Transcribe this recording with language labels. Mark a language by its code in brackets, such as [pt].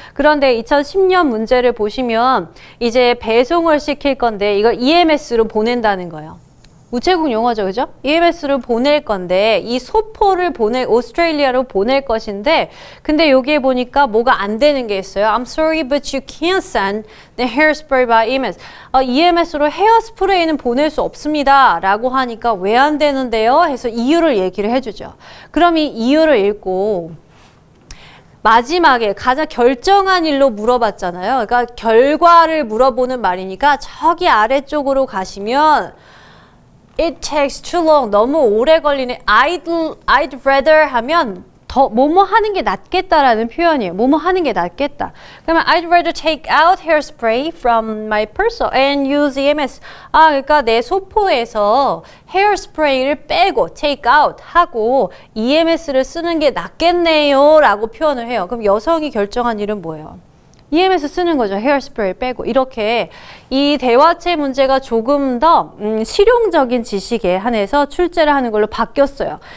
[ko] 그런데 2010년 문제를 보시면 이제 배송을 시킬 건데 이걸 EMS로 보낸다는 거예요. 우체국 용어죠, 그죠? EMS를 보낼 건데, 이 소포를 보낼, 오스트레일리아로 보낼 것인데, 근데 여기에 보니까 뭐가 안 되는 게 있어요. [en] I'm sorry, but you can't send the hairspray by EMS. [ko] EMS로 헤어스프레이는 보낼 수 없습니다. 라고 하니까 왜안 되는데요? 해서 이유를 얘기를 해주죠. 그럼 이 이유를 읽고, 마지막에 가장 결정한 일로 물어봤잖아요. 그러니까 결과를 물어보는 말이니까, 저기 아래쪽으로 가시면, [en] It takes too long. [ko] 너무 오래 걸리네. [en] I'd rather [ko] 하면 더 뭐뭐 하는 게 낫겠다라는 표현이에요. 뭐뭐 하는 게 낫겠다. [en] 그러면 I'd rather take out hairspray from my purse and use EMS. [ko] 아, 그러니까 내 소포에서 헤어스프레이를 빼고 take out 하고 EMS를 쓰는 게 낫겠네요라고 표현을 해요. 그럼 여성이 결정한 일은 뭐예요? EMS 쓰는 거죠. 헤어스프레이 빼고. 이렇게 이 대화체 문제가 조금 더 실용적인 지식에 한해서 출제를 하는 걸로 바뀌었어요.